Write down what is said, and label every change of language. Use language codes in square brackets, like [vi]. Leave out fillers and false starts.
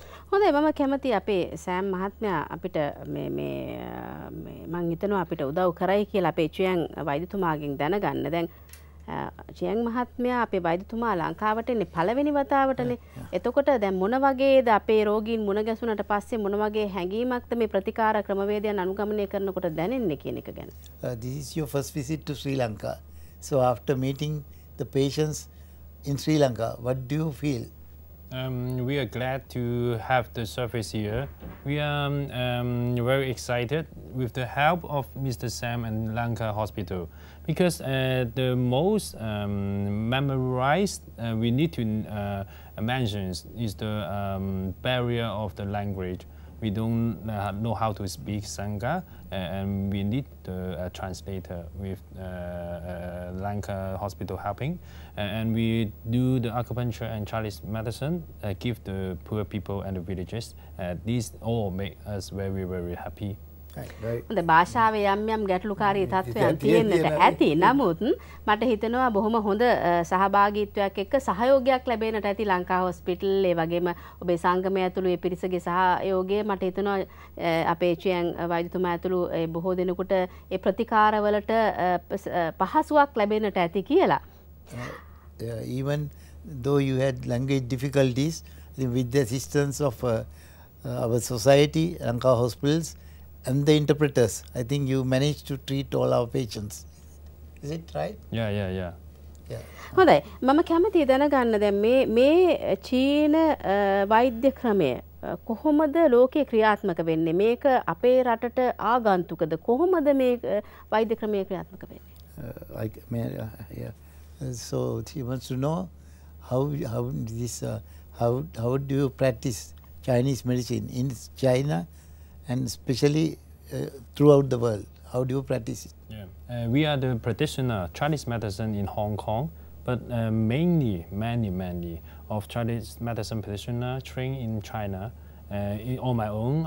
[si] හොඳයි, මම කැමති අපේ සෑම් මහත්මයා අපිට මේ මේ මේ මං හිතනවා අපිට උදව් කරයි කියලා අපේ චියන් වෛද්‍යතුමාගෙන් දැනගන්න. දැන් චියන් මහත්මයා අපේ වෛද්‍යතුමා ලංකාවට එන්නේ පළවෙනි වතාවටනේ. එතකොට දැන් මොන වගේද අපේ රෝගීන් මුණ ගැසුනට පස්සේ මොන වගේ හැඟීමක්ද මේ ප්‍රතිකාර ක්‍රමවේදයන් අනුගමනය කරනකොට දැනෙන්නේ කියන එක ගැන? [en] This is your first visit to Sri Lanka. So after meeting the patients in Sri Lanka, what do you feel? We are glad to have the service here. We are very excited with the help of Mr. Sam and Lanka Hospital. Because the most memorized we need to mention is the barrier of the language. We don't know how to speak Sangha, and we need the translator with Lanka Hospital helping. And we do the acupuncture and Chinese medicine, give the poor people and the villages. These all make us very, very happy. [si] හොඳ, භාෂාවේ යම් යම් ගැටලුකාරී තත්ත්වයන් තියෙන්නට ඇති. නමුත් මට හිතෙනවා බොහොම හොඳ සහභාගීත්වයක් එක්ක සහයෝගයක් ලැබෙන්නට ඇති ලංකා හොස්පිටල්, ඒ වගේම ඔබේ සංගමය ඇතුළු ඒ පිරිසගේ සහයෝගය. මට හිතෙනවා අපේ චියන් වෛද්‍යතුමා ඇතුළු ඒ බොහෝ දෙනෙකුට ඒ ප්‍රතිකාරවලට පහසුවක් ලැබෙන්නට ඇති කියලා. [en] Even though you had language difficulties, with the assistance of our society, Lanka hospitals, and the interpreters, I think you managed to treat all our patients. Is it right? Yeah. [si] හොඳයි, මම කැමතියි දැනගන්න දැන් මේ මේ චීන වෛද්‍ය ක්‍රමය කොහොමද ලෝකේ ක්‍රියාත්මක වෙන්නේ? මේක අපේ රටට ආගන්තුකද? කොහොමද මේ වෛද්‍ය ක්‍රමය ක්‍රියාත්මක වෙන්නේ? [en] So she wants to know how do you practice Chinese medicine in China? And especially throughout the world, how do you practice it? We are the practitioner Chinese medicine in Hong Kong, but mainly many of Chinese medicine practitioner trained in China. on my own.